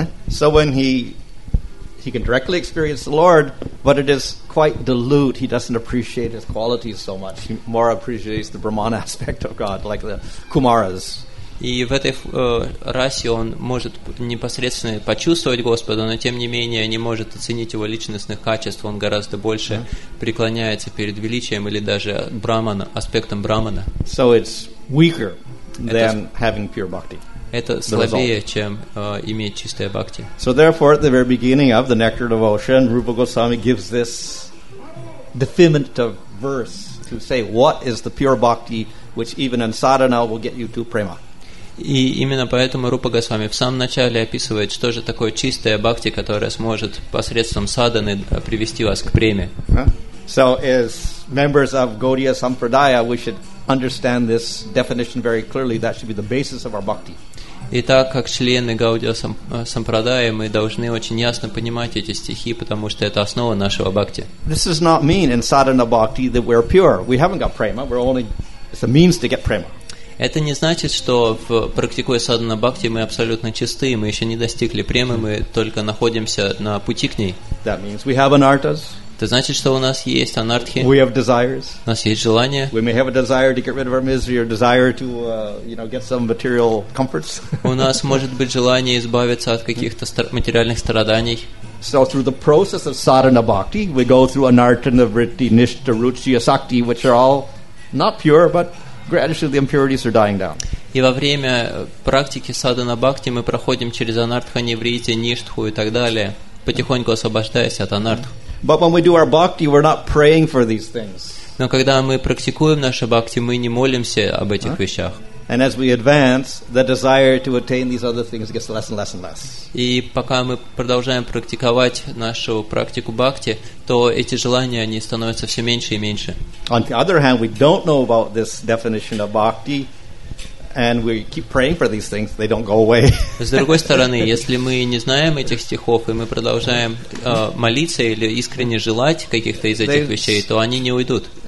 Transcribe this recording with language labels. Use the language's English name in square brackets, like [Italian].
[English] So when he can directly experience the Lord, but it is quite dilute. He doesn't appreciate his qualities so much. He more appreciates the Brahman aspect of God, like the Kumaras. [Russian] И в этой расе он может непосредственно почувствовать Господа, но тем не менее не может оценить его личностных качеств. Он гораздо больше преклоняется перед величием или даже брахмана, аспектом брахмана. [English] So it's weaker than having pure bhakti. [Russian] Это слабее, чем иметь чистое бхакти. [English] So therefore, at the very beginning of the Nectar Devotion, Rupa Goswami gives this definitive verse to say what is the pure bhakti, which even in sadhana will get you to prema. [Russian] И именно поэтому Рупа Госвами в самом начале описывает, что же такое чистая бхакти, которая сможет посредством садханы привести вас к преме. [English] So as members of Gaudiya Sampradaya, we should understand this definition very clearly. That should be the basis of our bhakti. [Russian] Итак, как члены Гаудия Сампрадая, мы должны очень ясно понимать эти стихи, потому что это основа нашего бхакти. [English] This does not mean in sadhana bhakti that we're pure. We haven't got prema. It's a means to get prema. [Russian] Это не значит, что практикуя садхана бхакти, мы абсолютно чисты, мы еще не достигли премы, мы только находимся на пути к ней. [English] That means we have anartas. [Russian] Это значит, что у нас есть анартхи. [English] We have desires. [Russian] У нас есть желания. [English] We may have a desire to get rid of our misery or desire to, you know, get some material comforts. [Russian] У нас может быть желание избавиться от каких-то материальных страданий. [English] So through the process of sadhana bhakti, we go through anartana vritti, nishta, ruchi, asakti, which are all not pure, but gradually the impurities are dying down. [Russian] И во время практики садхана бхакти мы проходим через анартхани вритти, ништху и так далее, потихоньку освобождаясь от анартх. [English] But when we do our bhakti, we're not praying for these things. [Russian] Но когда мы практикуем наше бхакти, мы не молимся об этих вещах. [English] And as we advance, the desire to attain these other things gets less and less and less. [Russian] И пока мы продолжаем практиковать нашу практику бхакти, то эти желания они становятся все меньше и меньше. [English] On the other hand, we don't know about this definition of bhakti, and we keep praying for these things, they don't go away. [Russian] С другой стороны, если мы не знаем этих стихов и мы продолжаем молиться или искренне желать каких-то из этих вещей, то они не уйдут.